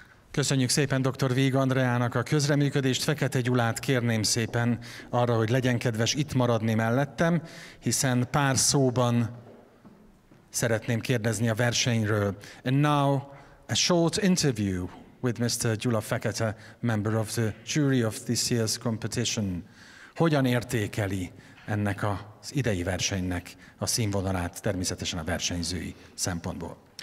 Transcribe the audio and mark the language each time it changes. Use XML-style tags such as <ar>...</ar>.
<hu>Köszönjük szépen dr. Vigh Andreának a közreműködést, Fekete Gyulát kérném szépen arra, hogy legyen kedves itt maradni mellettem, hiszen pár szóban szeretném kérdezni a versenyről.</hu> <en>And now a short interview with Mr. Gyula Fekete, member of the jury of this year's competition.</en> <hu>Hogyan értékeli ennek az idei versenynek a színvonalát természetesen a versenyzői szempontból?</hu>